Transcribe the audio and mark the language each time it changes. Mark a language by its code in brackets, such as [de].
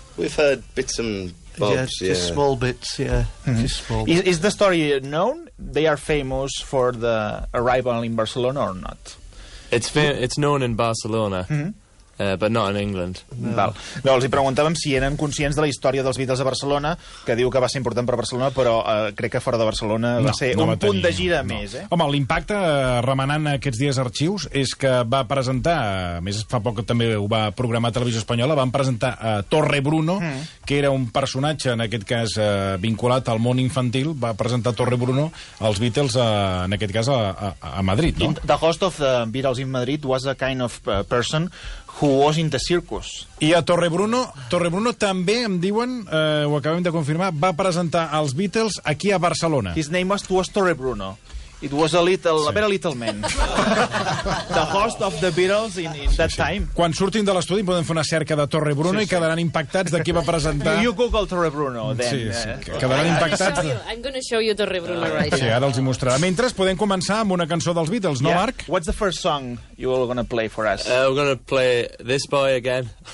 [en] We've heard bits and bobs, just small bits, Just small bits. Is the story known? They are famous for the arrival in Barcelona or not? It's known in Barcelona. But not in England. [ca] No. Val. No, els hi preguntàvem si eren conscients de la història dels Beatles a Barcelona, que diu que va ser important per Barcelona, però crec que fora de Barcelona va ser un punt de gira més. Home, l'impacte, remenant aquests dies arxius, és que va presentar, a més fa poc també ho va programar a Televisió Espanyola, van presentar a Torre Bruno, que era un personatge, en aquest cas, vinculat al món infantil, va presentar Torre Bruno als Beatles, en aquest cas, a Madrid. No? [en] The host of the Beatles in Madrid was a kind of person who was in the circus. [ca] I a Torre Bruno també, em diuen, ho acabem de confirmar, va presentar els Beatles aquí a Barcelona. [en] His name was Torre Bruno. It was a little, a very little man. The host of the Beatles in that time. [ca] Quan surtin de l'estudi podem fer una cerca de Torre Bruno i quedaran impactats de qui va presentar. [en] You Google Torre Bruno, then. [ca] Sí. Quedaran impactats. [en] I'm going to show you Torre Bruno right [ca] now. Sí, ara els hi mostrarà. Mentre, podem començar amb una cançó dels Beatles, no, Marc? [en] What's the first song you are going to play for us? We're going to play This Boy Again.